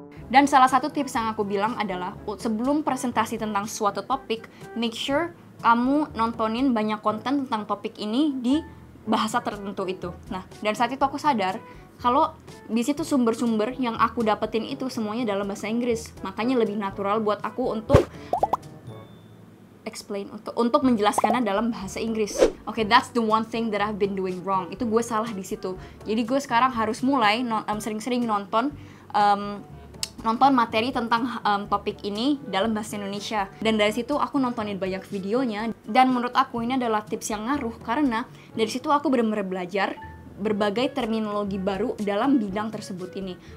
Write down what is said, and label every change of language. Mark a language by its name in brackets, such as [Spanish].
[Indonesian] Dan salah satu tips yang aku bilang adalah sebelum presentasi tentang suatu topik, [English] make sure [Indonesian] kamu nontonin banyak konten tentang topik ini di bahasa tertentu itu. Nah, dan saat itu aku sadar kalau di situ sumber-sumber yang aku dapetin itu semuanya dalam bahasa Inggris. Makanya lebih natural buat aku untuk explain, untuk menjelaskannya dalam bahasa Inggris. [English] Okay, that's the one thing that I've been doing wrong. [Indonesian] Itu gue salah di situ. Jadi gue sekarang harus mulai sering-sering nonton nonton materi tentang topik ini dalam bahasa Indonesia. Dan dari situ aku nontonin banyak videonya. Dan menurut aku ini adalah tips yang ngaruh, karena dari situ aku benar-benar belajar berbagai terminologi baru dalam bidang tersebut ini.